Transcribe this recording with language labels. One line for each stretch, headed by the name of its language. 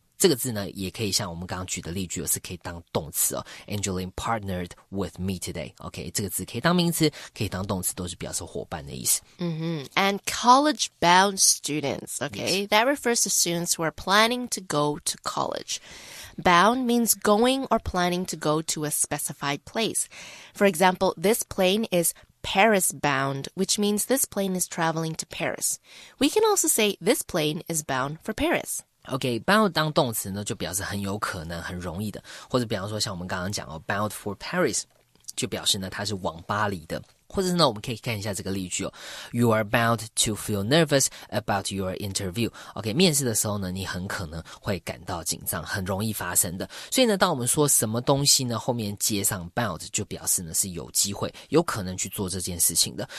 Chinese: 这个字呢也可以像我们刚刚举的例句是可以当动词哦。
English: Angeline partnered with me today.
Chinese: OK, 这个字可以当名词可以当动词都是表示伙伴的意思。
English: Mm-hmm. And college-bound students, OK,、 that refers to students who are planning to go to college. Bound means going or planning to go to a specified place. For example, this plane is... Paris bound, which means this plane is traveling to Paris. We can also say this plane is bound for Paris.
Chinese: Okay, bound 当动词呢，就表示很有可能、很容易的，或者比方说像我们刚刚讲哦 ，
English: bound for Paris，
Chinese: 就表示呢它是往巴黎的。或者是呢，我们可以看一下这个例句哦。
English: You are bound to feel nervous about your interview.
Chinese: OK, 面试的时候呢，你很可能会感到紧张，很容易发生的。所以呢，当我们说什么东西呢，后面接上 bound 就表示呢是有机会、有可能去做这件事情的。